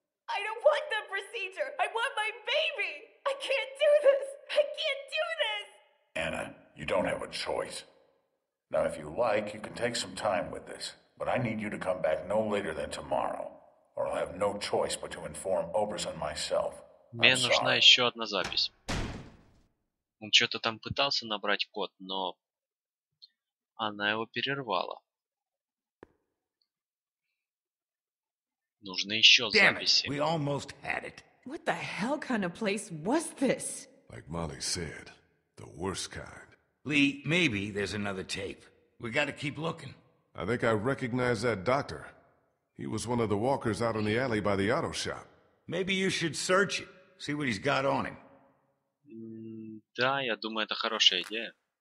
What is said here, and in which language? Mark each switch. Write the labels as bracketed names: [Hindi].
[English] I don't want the procedure! I want my baby! I can't do this! I can't do this! Anna, you don't have a choice. Now, if you like, you can take some time with this, but I need you to come back no later than tomorrow, or I'll have no choice but to inform Oberson myself. [Russian] Мне нужна еще одна запись. Он что-то там пытался набрать код, но она его перервала. Нужны еще записи. [English] We almost had it. What the hell kind of place was this? Like Molly said, the worst kind. Lee, maybe there's another tape. We gotta keep looking. I think I recognize that doctor. He was one of the walkers out in the alley by the auto shop. Maybe you should search it. See what he's got on him. [Russian] Да, я думаю, это хорошая идея.